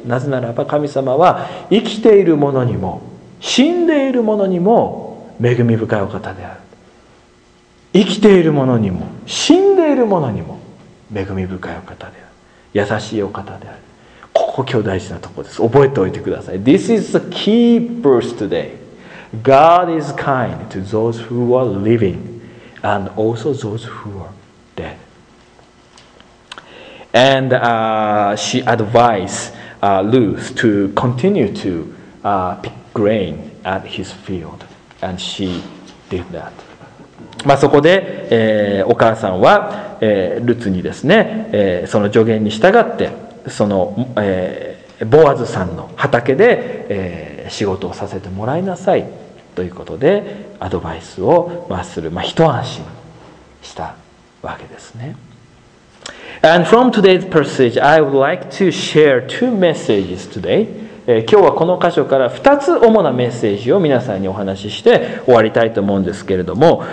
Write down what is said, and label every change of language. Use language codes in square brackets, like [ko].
[ja] なぜならば神様は生きているものにも死んでいるものにも恵み深いお方である。生きているものにも死んでいるものにも恵み深いお方である。優しいお方である。ここ今日大事なところです。覚えておいてください。 [en] This is the key verse today. God is kind to those who are living and also those who are dead. And she advised Ruth to continue to pick grain at his field. And she did that. [ja] まあ、そこで、お母さんは、ルツにですね、その助言に従ってその、ボアズさんの畑で、仕事をさせてもらいなさいということでアドバイスを、まあ、する、まあ、一安心したわけですね。 [en] And from today's passage I would like to share two messages today. [ja] 今日はこの箇所から2つ主なメッセージを皆さんにお話しして終わりたいと思うんですけれども、